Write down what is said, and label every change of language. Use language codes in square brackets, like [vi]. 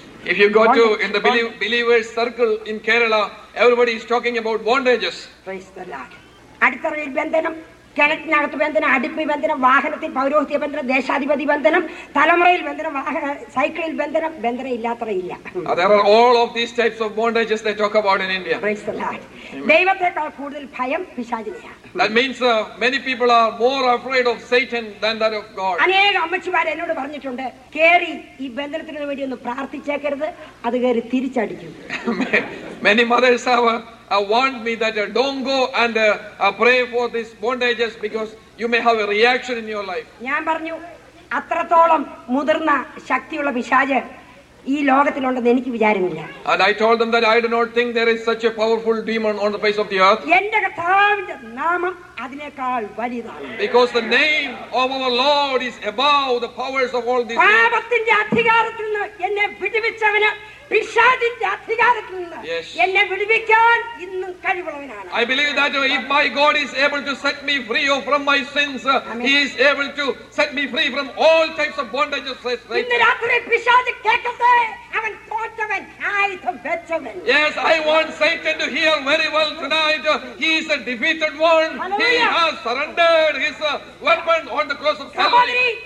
[en] If you go to in the believers circle in Kerala, everybody is talking about bondages. Praise the Lord. [ml] അടുത്തറയിൽ ബന്ധനം, കിണറ്റിനകത്ത് ബന്ധനം, അടുപ്പി ബന്ധനം, വാഹനത്തിൽ പൗരോഹിത്യ ബന്ധനം, ദേശാധിപതി ബന്ധനം, തലമുറയിൽ ബന്ധനം, വാഹന സൈക്കിളിൽ ബന്ധനം, ബന്ധനം ഇല്ലാത്തറയില്ല. [en] There are all of these types of bondages they talk about in India. Praise the Lord. [ml] ദൈവത്തെക്കാൾ കൂടുതൽ ഭയം പിശാചിനെയാണ്. [en] That means many people are more afraid of Satan than that of God. [ml] അനേകം അമ്മച്ചിമാർ എന്നോട് പറഞ്ഞിട്ടുണ്ട്, കേറി ഈ ബന്ധനത്തിന് വേണ്ടി ഒന്ന് പ്രാർത്ഥിച്ചേക്കരുത്, അത് കയറി തിരിച്ചടിക്കും. [en] Many mothers have warned me that don't go and pray for these bondages because you may have a reaction in your life. [ml] ഞാൻ പറഞ്ഞു, അത്രത്തോളം മുതിർന്ന ശക്തിയുള്ള പിശാച് ഈ ലോകത്തിലുണ്ടെന്ന് എനിക്ക് വിചാരമില്ല. [en] And I told them that I do not think there is such a powerful demon on the face of the earth. [ml] എന്റെ കർത്താവിന്റെ നാമം അതിനേക്കാൾ വലുതാണ്. [en] Because the name of our Lord is above the powers of all these. [ml] പാപത്തിന്റെ അധികാരത്തിൽ നിന്ന് എന്നെ വിടുവിച്ചവനെ പിശാചിന്റെ അധികാരത്തിൽ എന്നെ വിടുവിക്കാൻ ഇന്നും കഴിവുള്ളവനാണ്. [en] I believe that if my God is able to set me free from my sins, he is able to set me free from all types of bondages. [ml] ഇന്ന് രാത്രി പിശാച് കേൾക്കട്ടെ, അവൻ തോറ്റവൻ, ആയുധം വെച്ചവൻ. [en] Yes, I want Satan to hear very well tonight. He is a defeated one. Hallelujah. He has surrendered his weapon on the cross of Calvary.